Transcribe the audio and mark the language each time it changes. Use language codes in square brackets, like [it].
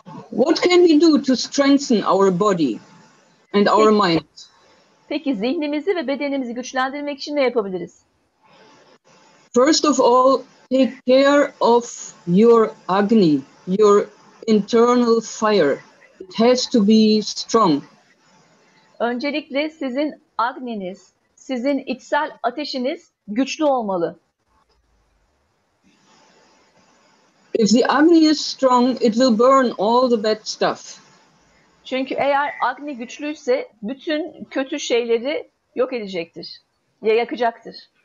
[en] What can we do to strengthen our body and our mind? [tr] Peki zihnimizi ve bedenimizi güçlendirmek için ne yapabiliriz? [en] First of all, take care of your agni, your internal fire. It has to be strong. [tr] Öncelikle sizin agniniz, sizin içsel ateşiniz güçlü olmalı. [en] If the agni is strong, it will burn all the bad stuff. [tr] Çünkü eğer agni güçlüyse bütün kötü şeyleri yok edecektir, ya yakacaktır.